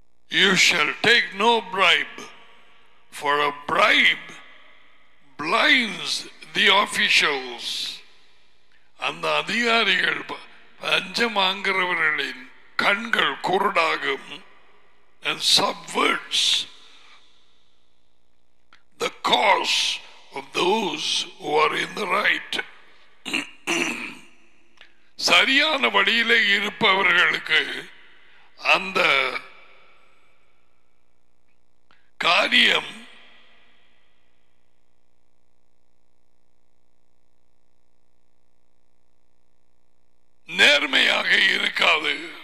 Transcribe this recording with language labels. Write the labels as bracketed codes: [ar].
[en] You shall take no bribe, for a bribe blinds the officials. [ta] அந்த அதிகாரிகள் பஞ்சம் வாங்குறவர்களின் கண்கள் குருடாகும். [en] And subverts the cause of those who are in the right. [ta] சரியான வழியில் இருப்பவர்களுக்கு அந்த காரியம் நேர்மையாக இருக்காது.